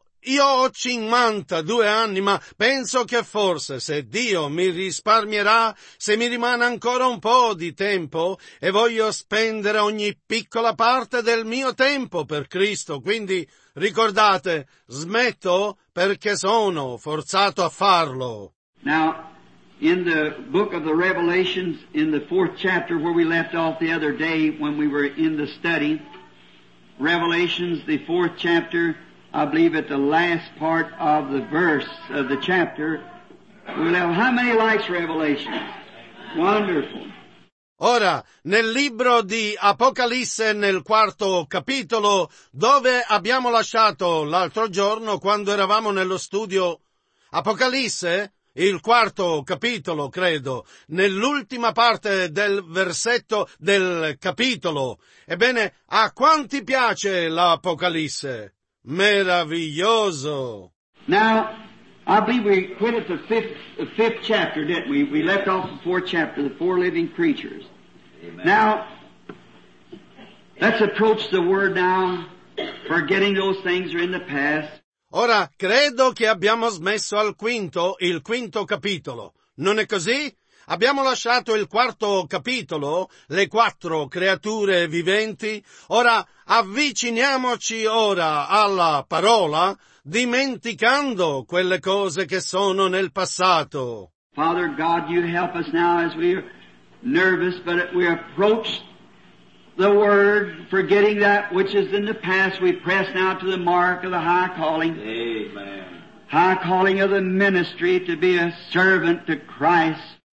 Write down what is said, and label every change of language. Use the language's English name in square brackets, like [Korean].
[Italian] Io ho 52 anni, ma penso che forse se Dio mi risparmierà, se mi rimane ancora un po' di tempo, e voglio spendere ogni piccola parte del mio tempo per Cristo. Quindi, ricordate, smetto perché sono forzato a farlo. [English] Now, in the book of the Revelations, in the fourth chapter where we left off the other day when we were in the study, Revelations, the fourth chapter, I believe at the last part of the verse of the chapter, we'll have how many likes Revelation? Wonderful. [Italian] Ora, nel libro di Apocalisse, nel quarto capitolo, dove abbiamo lasciato l'altro giorno quando eravamo nello studio Apocalisse, il quarto capitolo, credo, nell'ultima parte del versetto del capitolo. Ebbene, a quanti piace l'Apocalisse? Meraviglioso. [English] Now, I believe we quit at the fifth chapter, didn't we? We left off the fourth chapter, the four living creatures. Amen. Now, let's approach the word now, forgetting those things are in the past. [Italian] Ora, credo che abbiamo smesso al quinto, il quinto capitolo. Non è così? Abbiamo lasciato il quarto capitolo, le quattro creature viventi. Ora avviciniamoci ora alla parola, dimenticando quelle cose che sono nel passato. [English] Father God, you help us now as we are nervous, but we approach the word, forgetting that which is in the past, we press now to the mark of the high calling. Amen. High calling of the ministry to be a servant to Christ.